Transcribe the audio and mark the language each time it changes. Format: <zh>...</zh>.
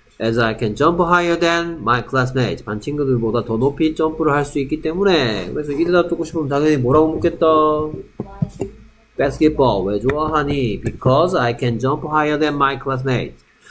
<en>as I can jump higher than my classmates.</en> <ko>반 친구들보다 더 높이 점프를 할 수 있기 때문에. 그래서 이 대답 듣고 싶으면 당연히 뭐라고 묻겠다. basketball 왜 좋아하니?</ko> <en>because I can jump higher than my classmates.</en>